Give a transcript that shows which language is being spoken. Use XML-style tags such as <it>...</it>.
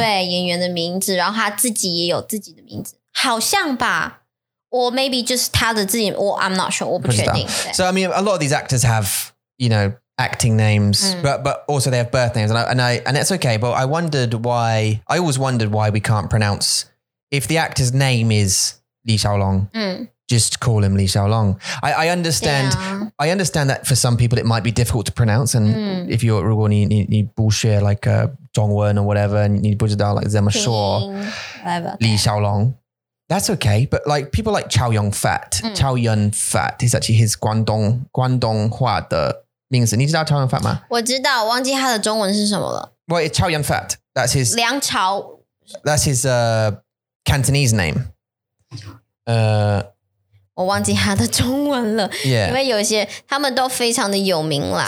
<zh>对，演员的名字，然后他自己也有自己的名字，好像吧？</zh> <en>Or maybe just</en> <zh>他的自己，我</zh> <en>I'm not sure，</en> <zh>我不确定。</zh> <en>So I mean, a lot of these actors have you know acting names,、嗯、but also they have birth names, and that's okay. But I wondered why. I always wondered why we can't pronounce if the actor's name is 李小龙。嗯。 Just call him Lee Shao Long. I understand. Yeah. I understand that for some people it might be difficult to pronounce. And if you're</en> <zh>如果你你你不学</zh> <en>like 中文 or whatever, and</en> <zh>你不知道</zh> <en>like</en> <zh>怎么说</zh> <en>Lee Shao Long, that's okay. But like people like Chow Yun Fat, Chow Yun Fat is actually his Guangdong</en> <zh>话的名字。你知道</zh> <en>Chow Yun Fat 吗？</en> <zh>我知道，忘记他的中文是什么了。</zh> <en>Well, Chow Yun Fat. That's his</en> <zh>梁朝</zh> <en>That's his Cantonese name.</en> <zh>我忘记他的中文了</zh> <en>yeah.</en> <zh>因为有些他们都非常的有名啦。</zh>